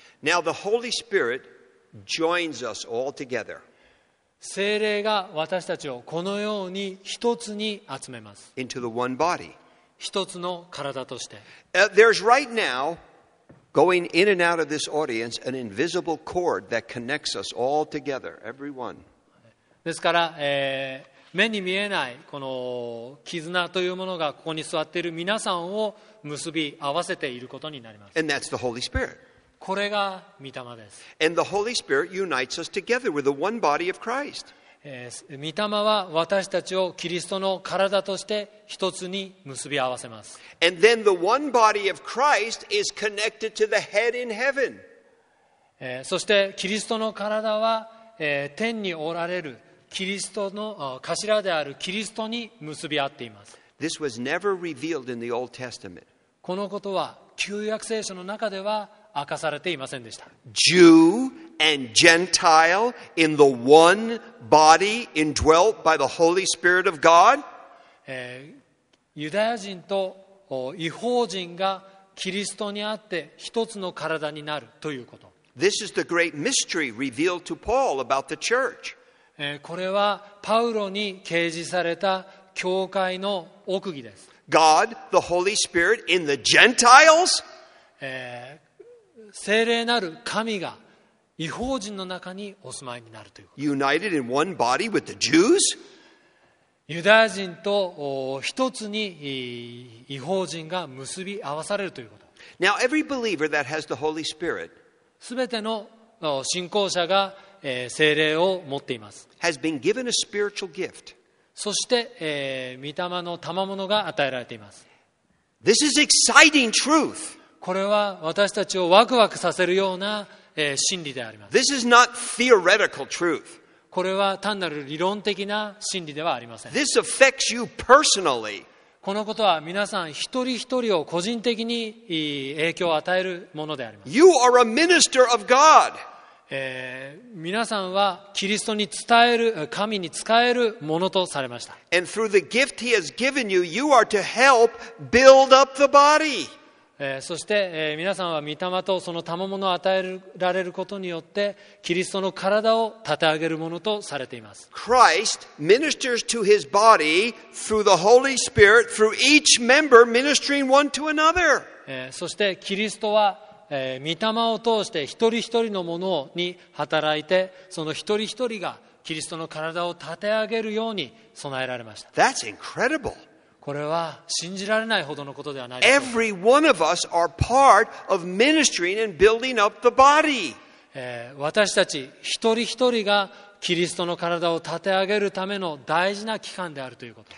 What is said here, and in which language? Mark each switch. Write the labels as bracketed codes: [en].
[en] Now the Holy Spirit joins us all together. [ja] 聖霊が私たちをこのように一つに集めます。 [en] Into the one body. [ja] 一つの体として。 [en] There's right now, going in and out of this audience, an invisible cord that connects us all together, everyone. [ja] ですから、目に見えないこの絆というものがここに座っている皆さんを結び合わせていることになります。 [en] And that's the Holy Spirit. [ja] これが御霊です。 [en] And the Holy Spirit unites us together with the one body of Christ. [ja] 御霊は私たちをキリストの体として一つに結び合わせます。 [en] And then the one body of Christ is connected to the head in heaven. [ja] そしてキリストの体は天におられるキリストの頭であるキリストに結び合っています。 [en] This was never revealed in the Old Testament. [ja] このことは旧約聖書の中では明かされていませんでした。 [en] Jew and Gentile in the one body indwelt by the Holy Spirit of God. [ja] ユダヤ人と異邦人がキリストにあって一つの体になるということ。 [en] This is the great mystery revealed to Paul about the church. [ja] これはパウロに啓示された教会の奥義です。 [en] God, the Holy Spirit in the Gentiles? [ja] 聖霊なる神が異邦人の中にお住まいになるということ。 [en] United in one body with the Jews? [ja] ユダヤ人と一つに異邦人が結び合わされるということ。 [en] Now, every believer that has the Holy Spirit, [ja] 全ての信仰者が聖霊を持っています。 [en] Has been given a spiritual gift. [ja] そして、御霊の賜物が与えられています。 [en] This is exciting truth. [ja] これは私たちをワクワクさせるような、真理であります。 [en] This is not theoretical truth. [ja] これは単なる理論的な真理ではありません。 [en] This affects you personally. [ja] このことは皆さん一人一人を個人的に影響を与えるものであります。 [en] You are a minister of God. [ja] 皆さんはキリストに伝える神に使えるものとされました。 [en] And through the gift he has given you, you are to help build up the body. [ja] そして、皆さんは御霊とその賜物を与えられることによってキリストの体を立て上げるものとされています。 [en] Christ ministers to his body through the Holy Spirit through each member ministering one to another. [ja] そしてキリストは御霊を通して一人一人のものに働いて、その一人一人がキリストの体を立て上げるように備えられました。 [en] That's incredible. [ja] これは信じられないほどのことではないでしょうか。 [en] Every one of us are part of ministering and building up the body. [ja] 私たち一人一人がキリストの体を立て上げるための大事な機関であるということ。